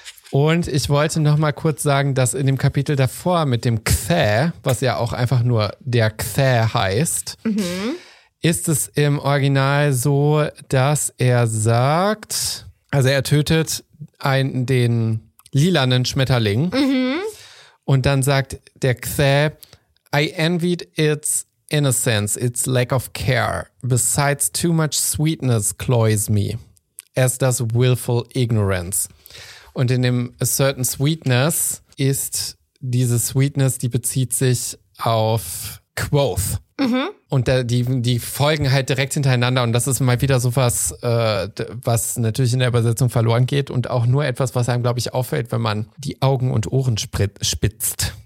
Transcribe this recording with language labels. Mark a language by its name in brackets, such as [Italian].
[German] Und ich wollte noch mal kurz sagen, dass in dem Kapitel davor mit dem Kthä, was ja auch einfach nur der Kthä heißt, ist es im Original so, dass er sagt, also er tötet den lilanen Schmetterling und dann sagt der Kthä, [English] I envied its innocence, its lack of care. Besides, too much sweetness cloys me, as does willful ignorance. [German] Und in dem A Certain Sweetness ist diese Sweetness, die bezieht sich auf Quoth. Und die folgen halt direkt hintereinander. Und das ist mal wieder so was, was natürlich in der Übersetzung verloren geht. Und auch nur etwas, was einem, glaube ich, auffällt, wenn man die Augen und Ohren spitzt.